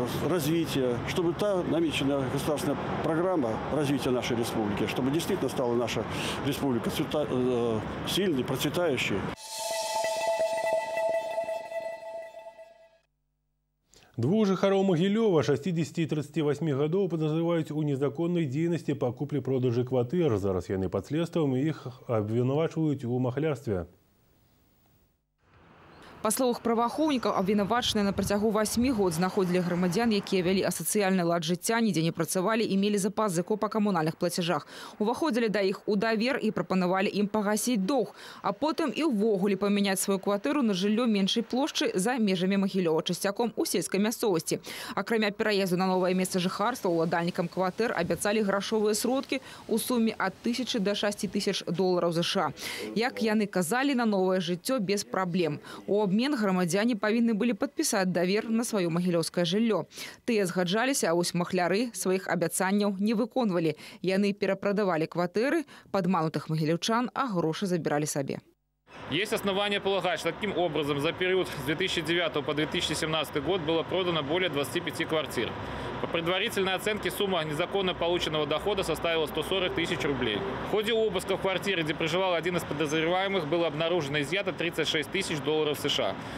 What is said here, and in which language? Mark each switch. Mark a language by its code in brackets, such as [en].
[ru] развитие, чтобы та намеченная государственная программа развития нашей республики, чтобы действительно стала наша республика сильной, процветающей. [be] Двух жыхароў Магілёва, 60 і 38 гадоў, падазраваюць у незаконнай дзейнасці па куплі-продажы кватэр. Зараз яны пад следствам, іх абвінавачваюць у махлярстве. Па словах праваахоўнікаў, абвінавачаныя на працягу 8 год знаходзілі грамадзян, якія вялі асацыяльны лад жыцця, нідзе не працавалі і мелі запас зыко па камунальных плацяжах. Уваходзілі да іх у давер і прапанавалі ім пагасіць доўг, а потым і ўвогуле памяняць сваю кватэру на жыллё меншай плошчы за межамі Магілёва, часцяком у сельскай мясцовасці. Акрамя пераезду на новае месца жыхарства, уладальнікам кватэр абяцалі грашовыя сродкі ў суме ад 1000 да 6000 долараў США. Як яны казалі, на новае жыццё без праблем. [ru] У обмен [be] грамадзяне павінны былі падпісаць давер на сваё магілёўскае жыллё. Тыя згаджаліся, а вось махляры сваіх абяцанняў не выконвалі. Яны перапрадавалі кватэры падманутых магілёўчан, а грошы забіралі сабе. [ru] Есть основания полагать, что таким образом за период с 2009 по 2017 год было продано более 25 квартир. По предварительной оценке сумма незаконно полученного дохода составила 140 тысяч рублей. В ходе обыска в квартире, где проживал один из подозреваемых, было обнаружено изъято 36 тысяч долларов США.